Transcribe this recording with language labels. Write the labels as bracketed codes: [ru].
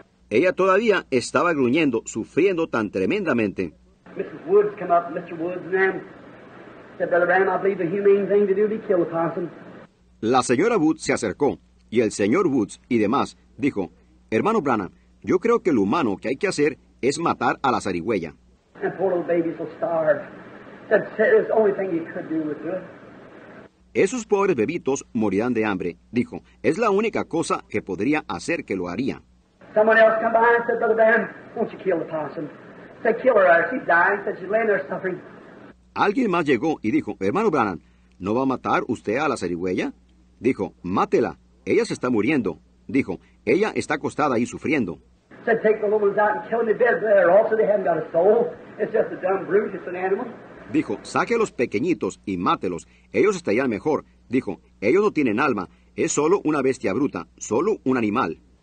[es] Ella todavía estaba gruñendo, sufriendo tan tremendamente. [en] Mrs. Woods came up, Mr. Woods and Ann, said, Brother Branham, I believe the humane thing to do is to kill the possum. [es] La señora Woods se acercó, y el señor Woods y demás dijo, Hermano Branham, yo creo que lo humano que hay que hacer es matar a la zarigüeya. [en] And poor little babies will starve. That is the only thing you could do with it. [es] Esos pobres bebitos morirán de hambre, dijo. Es la única cosa que podría hacer que lo haría. [en] Someone else come by and said, Brother Dan, won't you kill the possum? Say, kill her, she's dying, said she's laying there suffering. [es] Alguien más llegó y dijo, Hermano Branham, ¿no va a matar usted a la zarigüeya? Dijo, mátela, ella se está muriendo. Dijo, ella está acostada ahí sufriendo. [en] Said, take the little ones out and kill them in bed there. Also, they haven't got a soul. It's just a dumb brute, it's an animal. [es] Dijo, saque a los pequeñitos y mátelos. Ellos estarían mejor. Dijo, ellos no tienen alma. Es solo una bestia bruta, solo un animal.